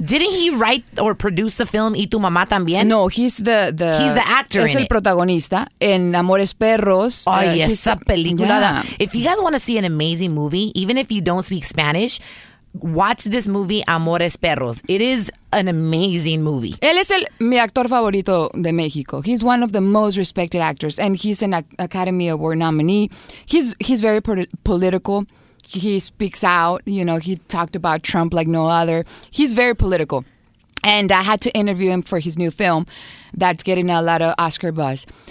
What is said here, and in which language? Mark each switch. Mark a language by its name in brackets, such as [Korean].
[English] Didn't he write or produce the film Y Tu Mamá También? No, he's the he's the actor. [Spanish] Es el protagonista en Amores Perros. Ay, esa película. Yeah. [English] If you guys want to see an amazing movie, even if you don't speak Spanish, watch this movie, Amores Perros. It is an amazing movie. [Spanish] Él es el mi actor favorito de México. [English] He's one of the most respected actors, and he's an Academy Award nominee. He's very political. He speaks out, you know, he talked about Trump like no other. He's very political. And I had to interview him for his new film that's getting a lot of Oscar buzz.